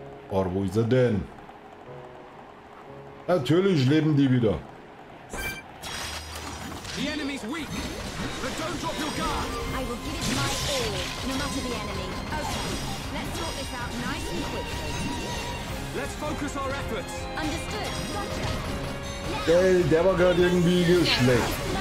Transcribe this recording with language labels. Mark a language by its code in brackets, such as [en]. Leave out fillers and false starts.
[de] Aber wo ist er denn? Natürlich leben die wieder. [en] The enemy is weak. But don't drop your guard. I will give it my all, no matter the enemy. Okay, let's sort this out nice and quickly. Let's focus our efforts. Understood. Gotcha. [de] Hey, der war gerade irgendwie geschlecht.